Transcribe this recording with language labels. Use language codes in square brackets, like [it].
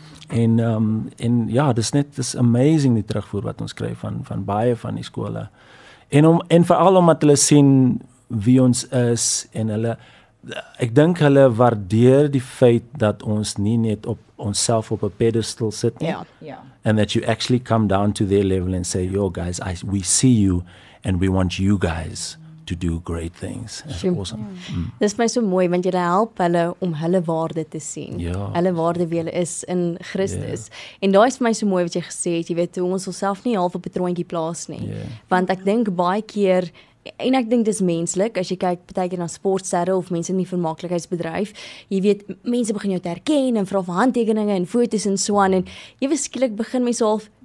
[af] En ja, dis amazing die terugvoer wat ons kry van baie van die skole. En veral omdat hulle sien wie ons is en hulle, ek dink hulle waardeer die feit dat ons nie net op onsself op 'n pedestal sit nie. Ja, ja. [en] And that you actually come down to their level and say, yo guys, we see you and we want you guys to do great things. That's awesome. Yeah. [af] Dit is my so mooi, want jy help hulle om hulle waarde te sien. Ja. Hulle waarde wie hulle is in Christus. Yeah. En daai is vir my so mooi wat jy gesê het, jy weet, hoe ons onsself nie half op 'n troontjie plaas nie. [en] Yeah. [af] Want ek dink baie keer, en ek dink dis menslik, as jy kyk baie keer na sportsterre of mense in die vermaaklikheidsbedryf, jy weet, mense begin jou te herken en vra vir handtekeninge en foto's en so aan, en jy weet, skielik begin mense half,